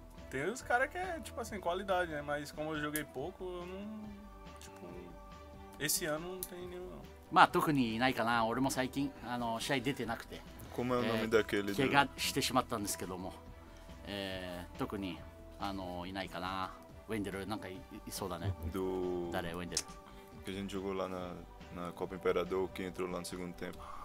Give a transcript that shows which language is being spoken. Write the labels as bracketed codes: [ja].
[pt] Tem uns caras que é, tipo assim, qualidade, né? Mas como eu joguei pouco, eu não. Tipo, esse ano não tem nenhum, não. [ja] まあ、特にいないかな。俺も最近、試合出てなくて。 [pt] Como é o nome daquele? [ja] 怪我してしまったんですけども、特にいないかな。ウェンデルなんか いそうだね。 [pt] Do... [ja] 誰ウェンデル [pt] que a gente jogou lá na Copa Imperador, que entrou lá no segundo tempo.